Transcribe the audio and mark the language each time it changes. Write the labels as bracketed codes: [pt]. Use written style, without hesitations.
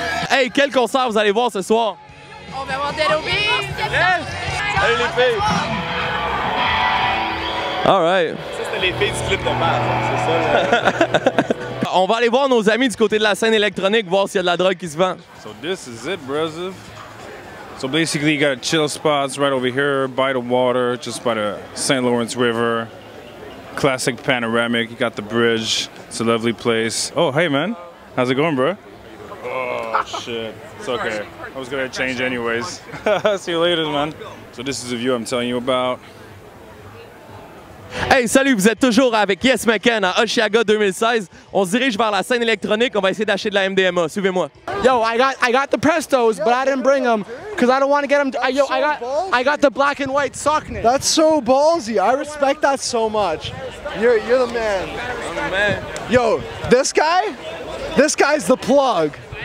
[fr] Hey, quel concert vous allez voir ce soir? On va voir Dead Obies! Yes! Salut les filles! [en] Alright! [fr] Ça, c'était les filles du clip de Mars, c'est ça? Là. On va aller voir nos amis du côté de la scène électronique, voir s'il y a de la drogue qui se vend. [en] So, this is it, brother. So, basically, you got chill spots right over here by the water, just by the St. Lawrence River. Classic panoramic, you got the bridge. It's a lovely place. Oh, hey, man. How's it going, bro? Oh, shit. It's okay. I was gonna change anyways. See you later, man. So this is the view I'm telling you about. [fr] Hey, salut, vous êtes toujours avec Yes McCann à Osheaga 2016. On se dirige vers la scène électronique, on va essayer d'acheter de la MDMA. Suivez-moi. [en] Yo, I got the Prestos, but I didn't bring them because I don't want to get them. I got the black and white Saucony. That's so ballsy. I respect that so much. You're the man. I'm the man. Yo, this guy's the plug.